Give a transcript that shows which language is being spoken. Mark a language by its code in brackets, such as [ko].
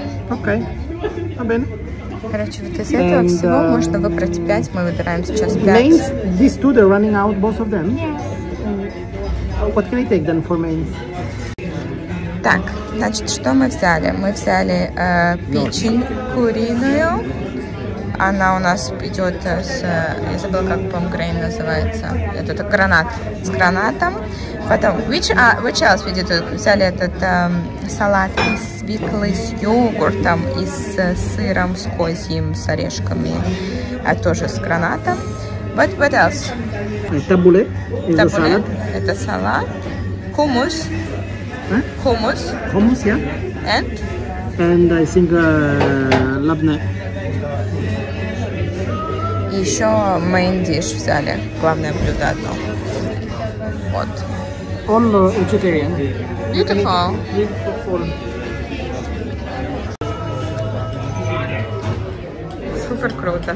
[ru] Окей, абен. Короче, вот из этого всего можно выбрать 5, мы выбираем сейчас 5. [en] Mains, these two, they're running out, both of them? Yes. What can I take then for mains? [ru] Так, значит, что мы взяли? Мы взяли печень куриную. Она у нас идет с, я забыла, как помгрейн называется. Это гранат с гранатом. Потом, [en] which else we did? [ru] Взяли этот салат из свеклы с йогуртом и с сыром, с козьим, с орешками. А тоже с гранатом. [en] What else? [ru] Табуле. Табуле. Это салат. Хумус. Хумус. Хумус, yeah. [en] And I think лабне. [ru] Еще main dish взяли, главное блюдо одно. Вот. [en] All vegetarian. Beautiful. [ru] Супер круто.